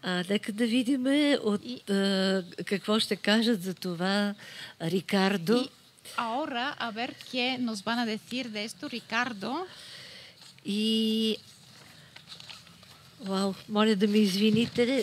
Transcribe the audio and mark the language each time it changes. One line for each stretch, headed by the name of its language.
Bulgarian: Нека да видим от какво ще кажат за това Рикардо.
Spanish: Ahora, a ver qué nos van a decir de esto, Ricardo. Y...
Bulgarian: Wow, моля да ми извините.